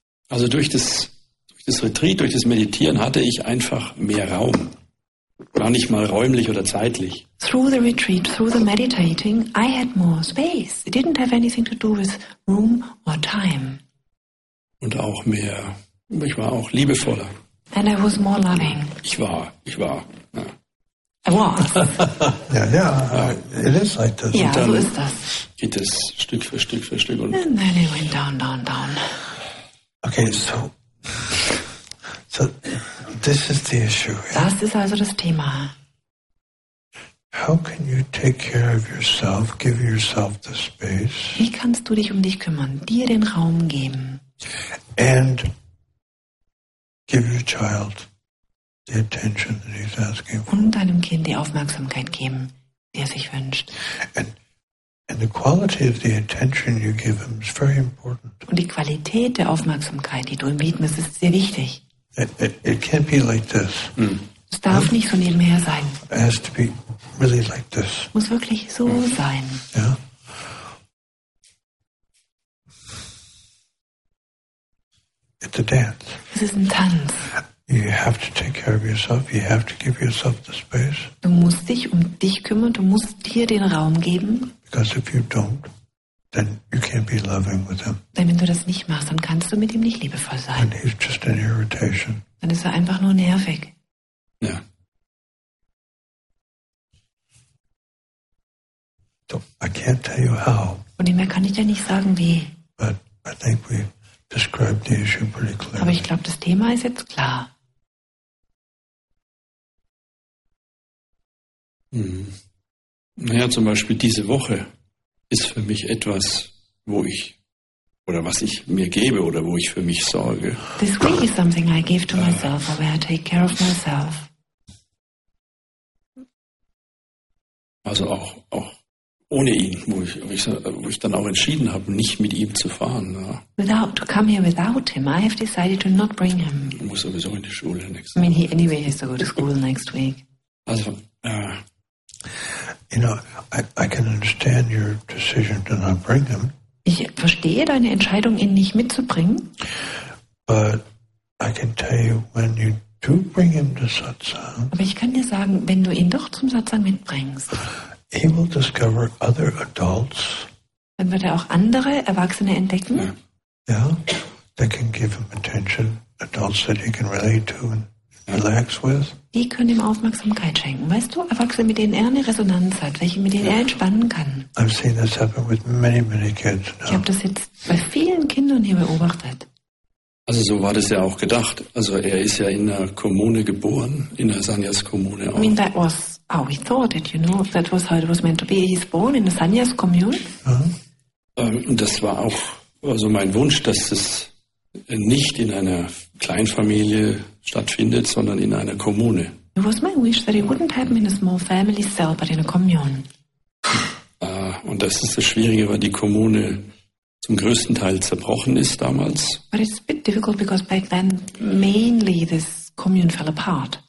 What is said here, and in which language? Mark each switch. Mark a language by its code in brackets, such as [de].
[de] Durch das Retreat, durch das Meditieren hatte ich einfach mehr Raum. Gar nicht mal räumlich oder zeitlich. [en] Through the retreat, through the meditating, I had more space. It didn't have anything to do with room or time. [de] Und auch mehr, ich war auch liebevoller. [en] And I was more loving. [de] Ich war. Ja. I was. [en] Yeah, it is like this. [de] Yeah, so ist das. Geht es Stück für Stück für Stück. [en] And then it went down. Okay, so this is the issue. Yeah? [de] Das ist also das Thema. [en] How can you take care of yourself, give yourself the space? [de] Wie kannst du dich um dich kümmern, dir den Raum geben? [en] And give your child the attention that he's asking for. [de] Und deinem Kind die Aufmerksamkeit geben, die er sich wünscht. [en] And And the quality of the attention you give him is very important. [de] Und die Qualität der Aufmerksamkeit, die du ihm widmest, ist sehr wichtig. [en] It can't be like this. [de] Es darf nicht so nebenher sein. [en] It has to be really like this. [de] Muss wirklich so sein. [en] Yeah. It's a dance. [de] Es ist ein Tanz. [en] You have to take care of yourself. You have to give yourself the space. [de] Du musst dich um dich kümmern. Du musst dir den Raum geben. [en] Because if you don't, then you can't be loving with him. [de] Denn wenn du das nicht machst, dann kannst du mit ihm nicht liebevoll sein. [en] And he's just an irritation. [de] Dann ist er einfach nur nervig. Ja. [en] So, I can't tell you how. [de] Und mehr kann ich dir nicht sagen, wie. [en] But I think we described the issue pretty clearly. [de] Aber ich glaube, das Thema ist jetzt klar. Naja, zum Beispiel diese Woche ist für mich etwas, wo ich, oder was ich mir gebe, oder wo ich für mich sorge. [en] This week is something I give to myself, or where I take care of myself. [de] Also auch ohne ihn, wo ich dann auch entschieden habe, nicht mit ihm zu fahren. Ja. [en] Without, to come here without him, I have decided to not bring him. [de] Ich muss sowieso in die Schule [en] next week. I mean, he anyway has to go to school next week. Also, You know, I can understand your decision to not bring him. [de] Ich verstehe deine Entscheidung, ihn nicht mitzubringen. [en] But I can tell you, when you do bring him to satsang. [de] Aber ich kann dir sagen, wenn du ihn doch zum Satsang mitbringst. [en] He will discover other adults. [de] Dann wird auch andere Erwachsene entdecken. [en] Yeah, they can give him attention. Adults that he can relate to and relax with. [de] Die können ihm Aufmerksamkeit schenken. Weißt du, Erwachsene, mit denen er eine Resonanz hat, welche mit denen er entspannen kann. [en] I've seen this happen with many, many kids now. [de] Ich habe das jetzt bei vielen Kindern hier beobachtet. Also so war das ja auch gedacht. Also er ist ja in einer Kommune geboren, in der Sannyas-Kommune auch. [en] I mean, that was how we thought it, you know. That was how it was meant to be. He's born in the Sannyas-Kommune. [de] Das war auch also mein Wunsch, dass es nicht in einer Kleinfamilie stattfindet, sondern in einer Kommune. [en] It was my wish that it wouldn't happen in a small family cell, but in a commune. [de] Und das ist das Schwierige, weil die Kommune zum größten Teil zerbrochen ist damals. [en] But it's a bit difficult because back then mainly this commune fell apart.